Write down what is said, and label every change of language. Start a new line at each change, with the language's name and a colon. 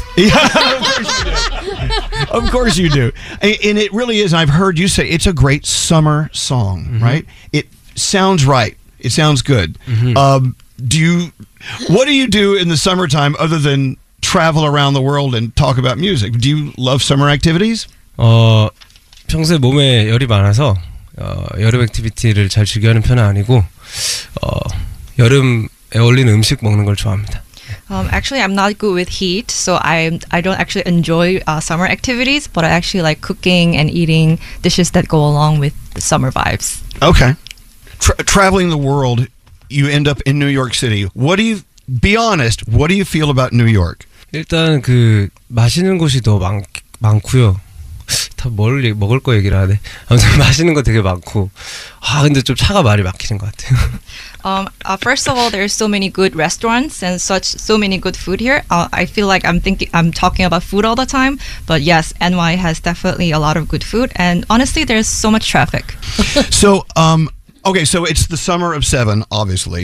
English: Yeah, of course you do. And it really is. I've heard you say it's a great summer song, mm-hmm. right? It sounds right. It sounds good. Mm-hmm. What do you do in the summertime other than travel around the world and talk about music? Do you love summer activities?
Korean: 평소에 몸에 열이 많아서. 여름 액티비티를 잘 즐겨하는 편은 아니고 여름에 어울리는 음식 먹는 걸 좋아합니다.
English: Actually, I'm not good with heat, so I don't actually enjoy summer activities, but I actually like cooking and eating dishes that go along with the summer vibes. Okay. Traveling the world, you end up in New York City. What do you, be honest, what do you feel about New York?
Korean: 일단 그 맛있는 곳이 더 많고요. 다 뭘 먹을 거 얘기를 하네. 아무튼 맛있는 거 되게 많고. 아 근데 좀 차가 말이 막히는 것 같아요.
English: First of all, there are so many good restaurants and so many good food here. I feel like I'm talking about food all the time. But yes, NY has definitely a lot of good food. And honestly, there's so much traffic. So, okay, so it's the summer of Seven, obviously.